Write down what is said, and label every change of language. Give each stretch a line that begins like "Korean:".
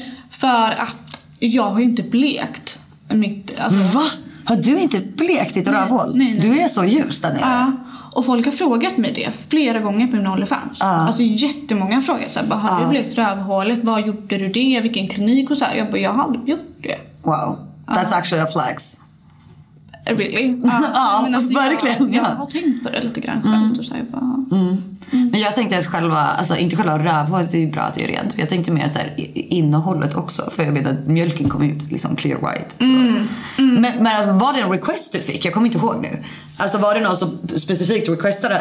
Swedish: För att jag har inte blekt mitt... Alltså. Va? Har du inte blekt ditt rövhål? Nej, du är så ljus där nere. Och folk har frågat mig det flera gånger på min OnlyFans. Alltså jättemånga har frågat, så här, bara, har du blekt rövhålet? Vad gjorde du det? Vilken klinik? Och så här. Jag bara, jag har aldrig gjort det.
English: Wow, that's actually a flex. Really?
Swedish: Alltså, verkligen. Jag har tänkt på det lite grann själv. Så jag bara, Men jag tänkte att själva, alltså inte själva rövhålet, det är ju bra att det är rent. Jag tänkte mer att så här, innehållet också. För jag vet att mjölken kom ut liksom
English: clear white.
Swedish: Så. Men alltså, var det en request du fick? Jag kommer inte ihåg nu. Alltså var det någon som specifikt requestade det?